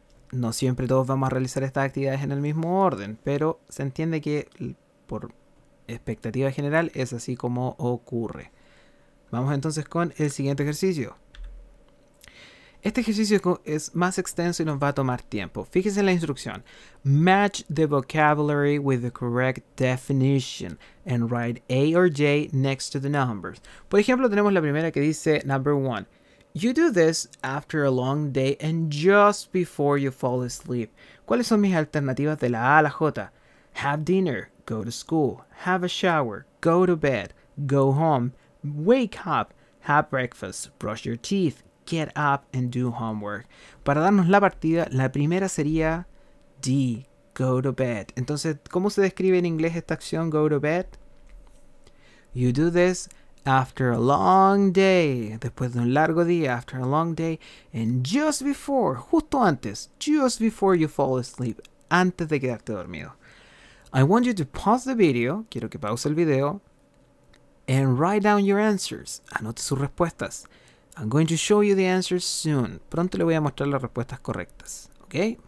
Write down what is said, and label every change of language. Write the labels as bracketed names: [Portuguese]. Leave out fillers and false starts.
[Spanish] No siempre todos vamos a realizar estas actividades en el mismo orden, pero se entiende que, por expectativa general, es así como ocurre. Vamos entonces con el siguiente ejercicio. Este ejercicio es más extenso y nos va a tomar tiempo. Fíjense en la instrucción. [English] Match the vocabulary with the correct definition and write A or J next to the numbers. [Spanish] Por ejemplo, tenemos la primera que dice [English] number one. You do this after a long day and just before you fall asleep. [Spanish] ¿Cuáles son mis alternativas de la A a la J? [English] Have dinner, go to school, have a shower, go to bed, go home, wake up, have breakfast, brush your teeth, get up and do homework. [Spanish] Para darnos la partida, la primera sería D, [English] go to bed. [Spanish] Entonces, ¿cómo se describe en inglés esta acción, [English] go to bed? You do this after a long day, [Spanish] después de un largo día, [English] after a long day, and just before, [Spanish] justo antes, [English] just before you fall asleep, [Spanish] antes de quedarte dormido. [English] I want you to pause the video, [Spanish] quiero que pause el video, [English] and write down your answers, [Spanish] anote sus respuestas. [English] I'm going to show you the answers soon. [Spanish] Pronto le voy a mostrar las respuestas correctas, ¿ok?